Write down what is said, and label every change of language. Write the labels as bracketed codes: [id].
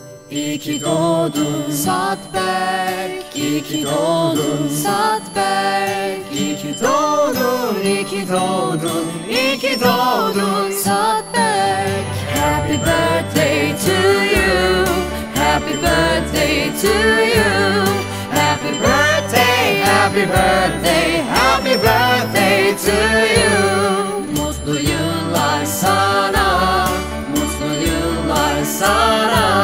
[tr] İyi ki doğdun Saatberk, iyi ki doğdun Saatberk, iyi ki doğdun, iyi ki doğdun, iyi ki doğdun Saatberk. [en] Happy birthday to you, happy birthday to you, happy birthday, happy birthday, happy birthday to you. [tr] Mutlu yıllar sana, mutlu yıllar sana.